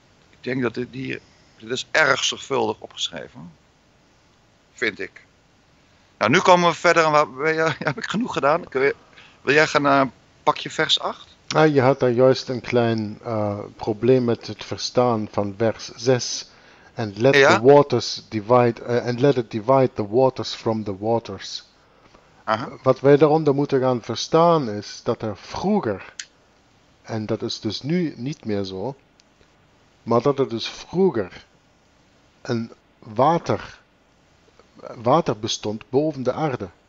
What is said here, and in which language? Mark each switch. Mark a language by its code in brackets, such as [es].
[nl] Ik denk dat dit is erg zorgvuldig opgeschreven. Vind ik. Nou, nu komen we verder. Heb ik genoeg gedaan? Wil jij gaan pakje vers 8? Ah, je had daar juist een klein probleem met het verstaan van vers 6. [en] And let the waters divide the waters from the waters. [nl] Aha. Wat wij daaronder moeten gaan verstaan is dat er vroeger, en dat is dus nu niet meer zo, maar dat er dus vroeger een water bestond boven de aarde.